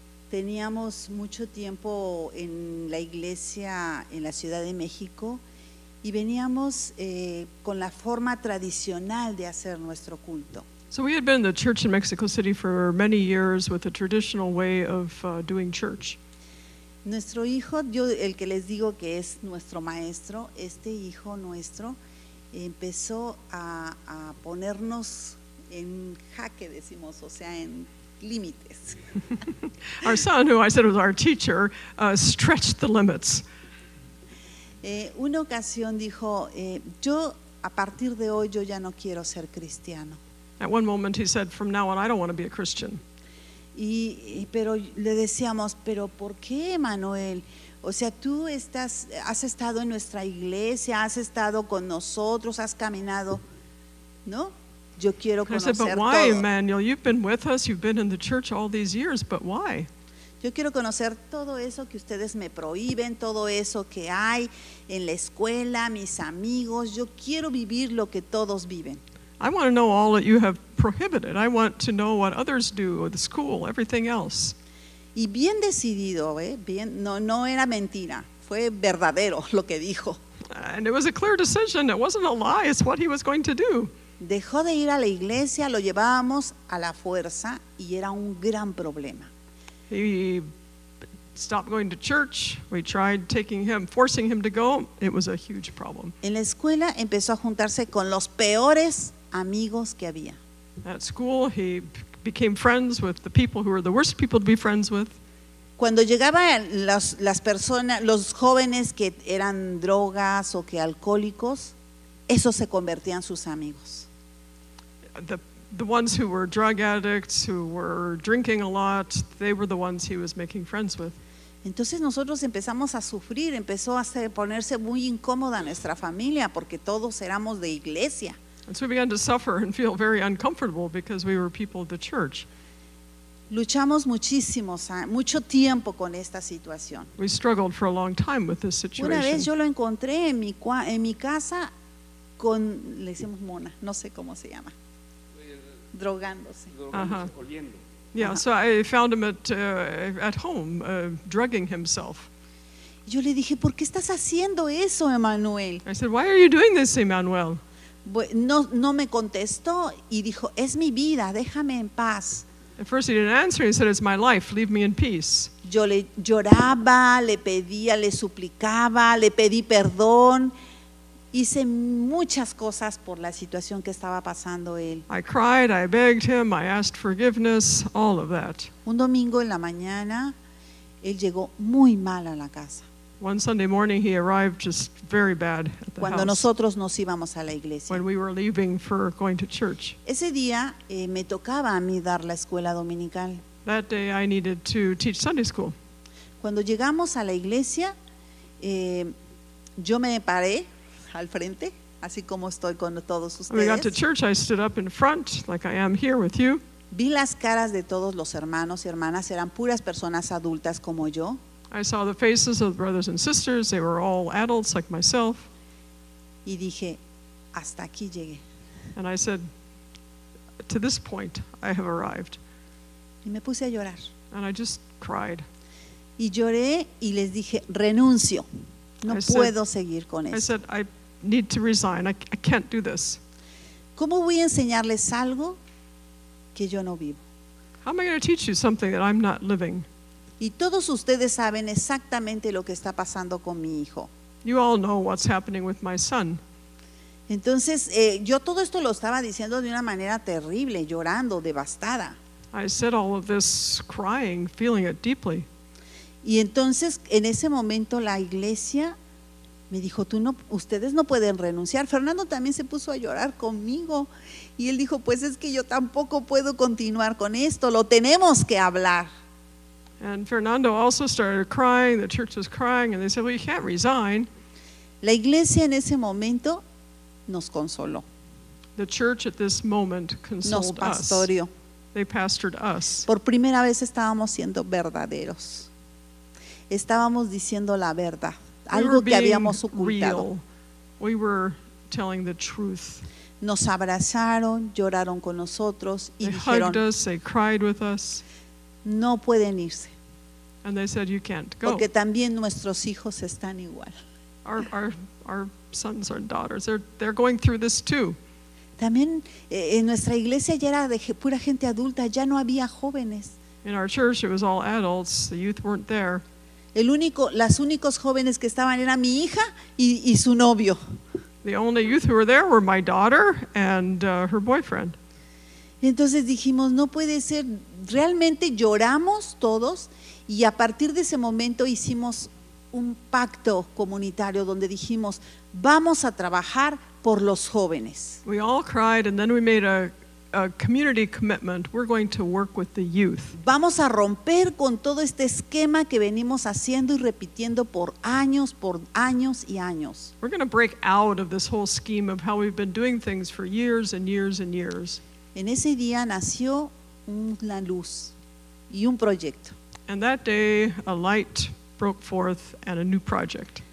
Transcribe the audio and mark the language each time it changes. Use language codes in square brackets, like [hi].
[es] Teníamos mucho tiempo en la iglesia en la Ciudad de México. Y veníamos con la forma tradicional de hacer nuestro culto. [en] So we had been in the church in Mexico City for many years with a traditional way of doing church. [es] Nuestro hijo, yo, el que les digo que es nuestro maestro, este hijo nuestro empezó a ponernos en jaque, decimos, o sea, en límites. [en] Our son, who I said was our teacher, stretched the limits. [es] Una ocasión dijo, yo a partir de hoy yo ya no quiero ser cristiano. [en] At one moment he said, from now on I don't want to be a Christian. [es] Y pero le decíamos, pero ¿por qué, Manuel? O sea, tú estás, has estado en nuestra iglesia, has estado con nosotros, has caminado, ¿no? Yo quiero conocer todo. [en] I said, but why, Emmanuel? You've been with us, you've been in the church all these years, but why? [es] Yo quiero conocer todo eso que ustedes me prohíben, todo eso que hay en la escuela, mis amigos. Yo quiero vivir lo que todos viven. [en] I want to know all that you have prohibited. I want to know what others do, or the school, everything else. [es] Y bien decidido, bien, no era mentira. Fue verdadero lo que dijo. [en] And it was a clear decision. It wasn't a lie. It's what he was going to do. [es] Dejó de ir a la iglesia, lo llevábamos a la fuerza, y era un gran problema. [en] He stopped going to church. We tried taking him, forcing him to go. It was a huge problem. [es] En la escuela empezó a juntarse con los peores amigos que había. [en] At school, he became friends with the people who were the worst people to be friends with. [es] Cuando llegaban las personas, los jóvenes que eran drogas o que alcohólicos, esos se convertían sus amigos. [en] The ones who were drug addicts, who were drinking a lot, they were the ones he was making friends with. [es] Entonces nosotros empezamos a sufrir, empezó a ponerse muy incómoda nuestra familia porque todos éramos de iglesia. [en] And so we began to suffer and feel very uncomfortable because we were people of the church. [es] Luchamos muchísimos, mucho tiempo con esta situación. [en] We struggled for a long time with this situation. [es] Una vez yo lo encontré en mi casa con, le decimos mona, no sé cómo se llama. Drogándose. [en] Uh-huh. Yeah, so I found him at home, drugging himself. [es] Yo le dije, ¿por qué estás haciendo eso, Emmanuel? [en] I said, why are you doing this, Emmanuel? [es] No me contestó y dijo, es mi vida, déjame en paz. [en] At first he didn't answer, he said, it's my life, leave me in peace. [es] Yo le lloraba, le pedía, le suplicaba, le pedí perdón. Hice muchas cosas por la situación que estaba pasando él. [en] I cried, I begged him, I asked forgiveness, all of that. [es] Un domingo en la mañana, él llegó muy mal a la casa. [en] One Sunday morning, he arrived just very bad at the [es] Cuando [en] house. [es] Nosotros nos íbamos a la iglesia. [en] When we were leaving for going to church. [es] Ese día, me tocaba a mí dar la escuela dominical. [en] That day, I needed to teach Sunday school. [es] Cuando llegamos a la iglesia, yo me paré al frente, así como estoy con todos ustedes. [en] When we got to church, I stood up in front, like I am here with you. [es] Vi las caras de todos los hermanos y hermanas, eran puras personas adultas como yo. [en] I saw the faces of the brothers and sisters, they were all adults like myself. [es] Y dije, hasta aquí llegué. [en] And I said, to this point, I have arrived. [es] Y me puse a llorar. [en] And I just cried. [es] Y lloré y les dije, renuncio. No [en] I [es] puedo [en] said, [es] seguir con esto. [en] I said, I need to resign. I can't do this. [es] ¿Cómo voy a enseñarles algo que yo no vivo? [en] How am I going to teach you something that I'm not living? [es] Y todos ustedes saben exactamente lo que está pasando con mi hijo. [en] You all know what's happening with my son. [es] Entonces, yo todo esto lo estaba diciendo de una manera terrible, llorando, devastada. [en] I said all of this crying, feeling it deeply. [es] Y entonces, en ese momento, la iglesia me dijo, tú no, ustedes no pueden renunciar. Fernando también se puso a llorar conmigo. Y él dijo, pues es que yo tampoco puedo continuar con esto, lo tenemos que hablar. [en] And Fernando also started crying, the church was crying, and they said, well, you can't resign. [es] La iglesia en ese momento nos consoló. [en] The church at this moment consoled us. [es] Nos pastoreó. [en] They pastored us. [es] Por primera vez estábamos siendo verdaderos. Estábamos diciendo la verdad, algo que habíamos ocultado. [en] We were telling the truth. [es] Nos abrazaron, lloraron con nosotros y dijeron, [en] they hugged us, they cried with us. [es] No pueden irse. [en] And they said, you can't go. [es] Porque también nuestros hijos están igual. [en] Our sons, our daughters, they're going through this too. [es] También en nuestra iglesia ya era de pura gente adulta, ya no había jóvenes. [en] In our church it was all adults, the youth weren't there. [es] Las únicos jóvenes que estaban era mi hija y su novio. [en] The only youth who were there were my daughter and her boyfriend. [es] Entonces dijimos, no puede ser, realmente lloramos todos y a partir de ese momento hicimos un pacto comunitario donde dijimos, vamos a trabajar por los jóvenes. [en] We all cried and then we made a community commitment, we're going to work with the youth. [es] Vamos a romper con todo este esquema que venimos haciendo y repitiendo por años y años. [en] We're going to break out of this whole scheme of how we've been doing things for years and years and years. [es] En ese día nació una luz y un proyecto. [en] And that day, a light broke forth and a new project.